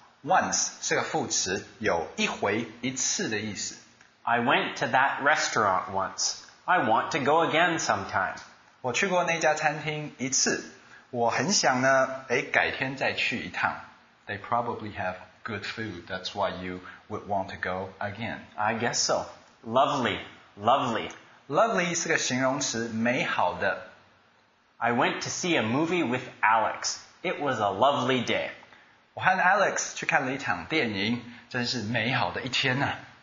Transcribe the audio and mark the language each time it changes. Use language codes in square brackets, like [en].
[zh] Once 是个副词，有一回一次的意思。 [en] I went to that restaurant once. I want to go again sometime. [zh] 我去过那家餐厅一次。我很想呢，哎，改天再去一趟。 [en] They probably have good food. That's why you would want to go again. I guess so. Lovely, lovely. [zh] Lovely 是个形容词，美好的。 [en] I went to see a movie with Alex. It was a lovely day. [zh] 我和 Alex 去看了一场电影，真是美好的一天啊。